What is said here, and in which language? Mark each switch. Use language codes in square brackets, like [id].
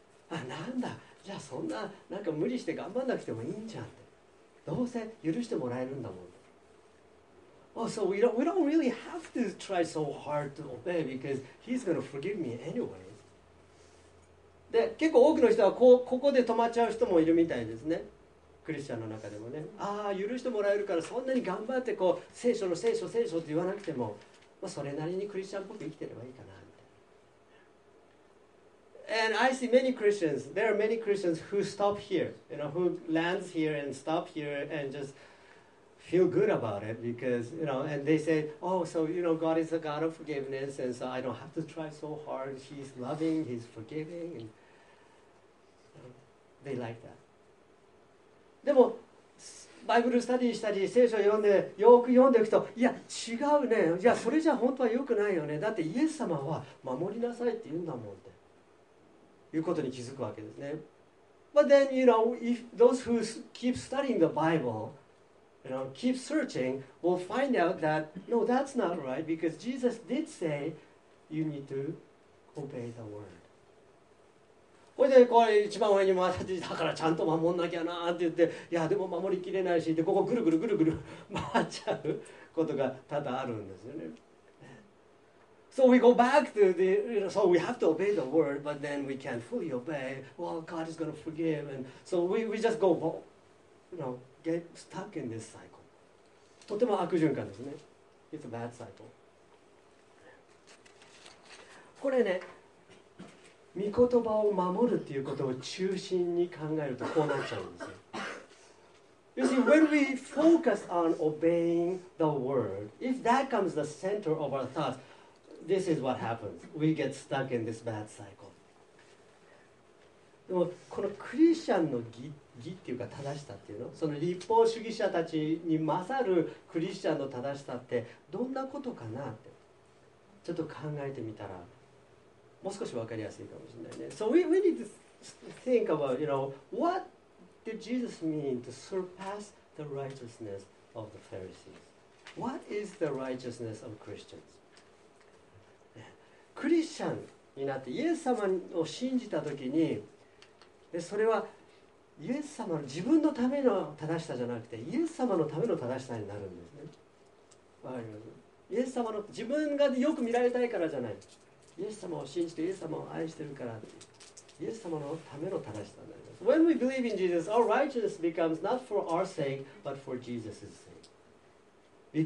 [ja] あ、なんだ、じゃあそんななんか無理して頑張んなくてもいいんじゃんって。どうせ許してもらえるんだもん。 [en] Oh, so we don't really have to try so hard to obey because he's going to forgive me anyway. [ja] で、結構多くの人はここで止まっちゃう人もいるみたいですね。クリスチャンの中でもね。ああ、許してもらえるからそんなに頑張ってこう聖書の聖書聖書って言わなくても、まあ、それなりにクリスチャンっぽく生きてればいいかなみたいな。 [en] And I see many Christians. There are many Christians who stop here, you know, who lands here and stop here and just. Feel good about it because, you know, and they say, oh, so, you know, God is a God of forgiveness, and so I don't have to try so hard. He's loving, He's forgiving, and they like that. [ja] でも、バイブルスタディしたり、聖書を読んで、よく読んでいくと、いや、違うね。いや、それじゃ本当は良くないよね。だって、イエス様は守りなさいって言うんだもんって、いうことに気づくわけですね。 [en] But then, you know, if those who keep studying the Bible,You know, keep searching, we'll find out that, no, that's not right, because Jesus did say, you need to obey the word. [ja] これでこう一番上に回ってだからちゃんと守んなきゃなって言っていやでも守りきれないしでここぐるぐるぐるぐる回っちゃうことが多々あるんですよね。 [en] So we go back to the, you know, so we have to obey the word, but then we can't fully obey. Well, God is going to forgive. And so we just go, you know, get stuck in this cycle. [ja] とても悪循環ですね。 [en] It's a bad cycle. [ja] これね、御言葉を守るっていうことを中心に考えるとこうなっちゃうんですよ。 [en] You see, when we focus on obeying the word, if that comes the center of our thoughts,This is what happens. We get stuck in this bad cycle. [ja] でもこのクリスチャンの 義っていうか正しさっていうの、その立法主義者たちに勝るクリスチャンの正しさってどんなことかなってちょっと考えてみたらもう少し分かりやすいかもしれないね。 [en] So we need to think about, you know, what did Jesus mean to surpass the righteousness of the Pharisees? What is the righteousness of Christians? [ja] クリスチャンになってイエス様を信じたときにでそれはイエス様の自分のための正しさじゃなくてイエス様のための正しさになるんですね。イエス様の自分がよく見られたいからじゃない、イエス様を信じてイエス様を愛してるからイエス様のための正しさになります。 [en] When we believe in Jesus, our righteousness becomes not for our sake, but for Jesus' sake.